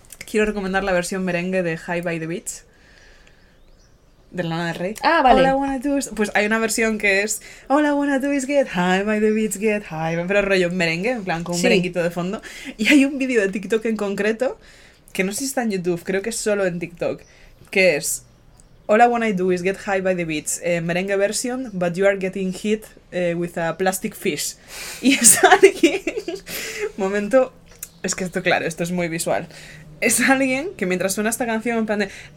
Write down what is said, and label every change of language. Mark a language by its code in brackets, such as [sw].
[es] Quiero recomendar la versión merengue de High by the Beach, de Lana del Rey. Ah, vale. [en] All I wanna do is... [es] Pues hay una versión que es [en] All I wanna do is get high [es] by the beach, get high, pero rollo merengue, en plan con un merenguito de fondo. Y hay un vídeo de TikTok en concreto... Que no sé si está en YouTube, creo que es solo en TikTok. Que es... [en] All I wanna do is get high by the beach. Merengue version, but you are getting hit with a plastic fish. [es] Y es alguien... Momento... Es que esto, claro, esto es muy visual. Es alguien que mientras suena esta canción, en plan de...